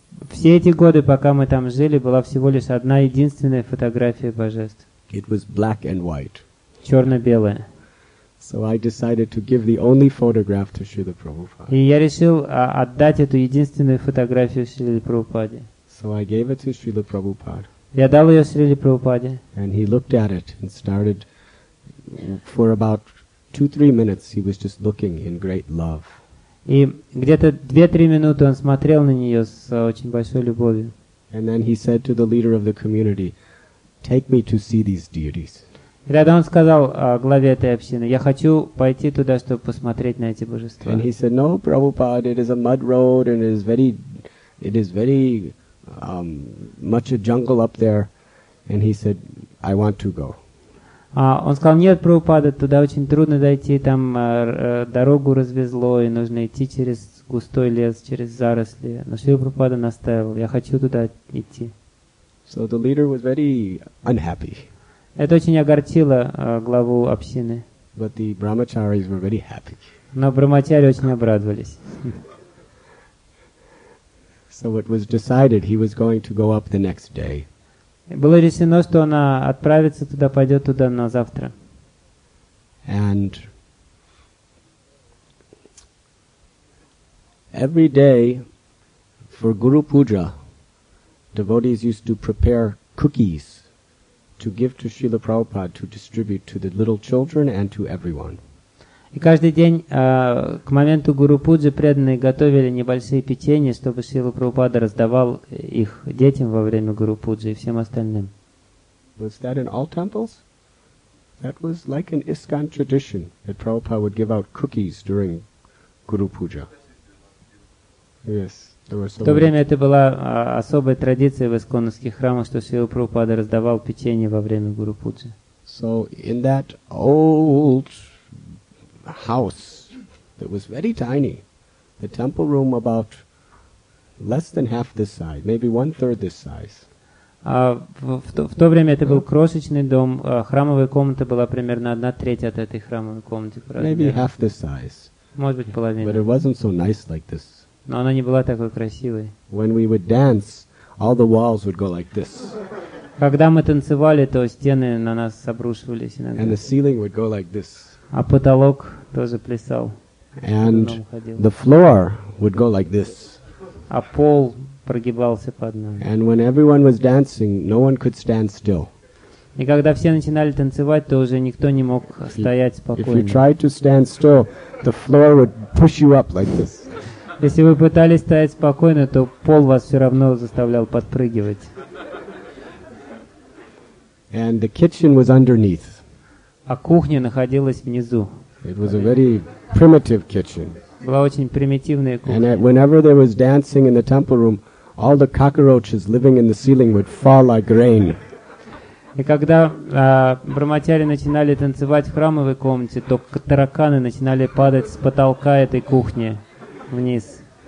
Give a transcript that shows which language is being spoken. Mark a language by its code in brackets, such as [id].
[ru] Все эти годы, пока мы там жили, была всего лишь одна единственная фотография божеств. [en] It was black and white. [ru] Черно-белая. [en] So I decided to give the only photograph to Srila Prabhupada. [ru] И я решил отдать эту единственную фотографию Шриле Прабхупаде. [en] So I gave it to Srila Prabhupada. [ru] Я дал ее Шриле Прабхупаде. [en] And he looked at it and started for about 2-3 minutes he was just looking in great love. [ru] И где-то 2-3 минуты он смотрел на нее с очень большой любовью. [en] And then he said to the leader of the community, "Take me to see these deities." [ru] И тогда он сказал главе этой общины, "Я хочу пойти туда, чтобы посмотреть на эти божества." [en] And he said, "No, Prabhupada, it is a mud road and it is very much a jungle up there." And he said, "I want to go." [ru] Он сказал, нет, Прабхупада, туда очень трудно дойти, там дорогу развезло, и нужно идти через густой лес, через заросли. Но Шрила Прабхупада настаивал, я хочу туда идти. [en] So the leader was very unhappy. [ru] Это очень огорчило главу общины. [en] But the brahmacharis were very happy. [ru] Но брахмачари очень обрадовались. [en] So it was decided he was going to go up the next day. [ru] Было решено, что она отправится туда, пойдет туда на завтра. [en] And every day for Guru Puja, devotees used to prepare cookies to give to Srila Prabhupada to distribute to the little children and to everyone. [ru] И каждый день к моменту Гуру Пуджи преданные готовили небольшие печенья, чтобы Шрила Прабхупада раздавал их детям во время Гуру Пуджи и всем остальным. [en] Was that in all temples? That was like an ISKCON tradition that Prabhupada would give out cookies during Guru Puja. Yes, there were so many. [ru] В то время это была особая традиция в исконных храмах, что Шрила Прабхупада раздавал печенье во время Гуру Пуджи. [en] So in that old house that was very tiny, the temple room about less than half this size, maybe 1/3 this size. [ru] В то время это был крошечный дом, храмовая комната была примерно 1/3 от этой храмовой комнаты. [en] Maybe half this size. [ru] Может быть половина. [en] But it wasn't so nice like this. [ru] Но она не была такой красивой. [en] When we would dance, all the walls would go like this. [ru] Когда мы танцевали, то стены на нас обрушивались иногда. [en] And the ceiling would go like this. [ru] А потолок тоже плясал. [en] And the floor would go like this. [ru] А пол прогибался под нами. [en] And when everyone was dancing, no one could stand still. [ru] И когда все начинали танцевать, то уже никто не мог стоять спокойно. [en] If you tried to stand still, the floor would push you up like this. [ru] Если вы пытались стоять спокойно, то пол вас все равно заставлял подпрыгивать. [en] And the kitchen was underneath. [ru] А кухня находилась внизу. [en] It was a very primitive kitchen. [ru] Была очень примитивная кухня. [en] And whenever there was dancing in the temple room, all the cockroaches living in the ceiling would fall like rain. [ru] И когда брахмачари начинали танцевать в храмовой комнате, то тараканы начинали падать с потолка этой кухни вниз.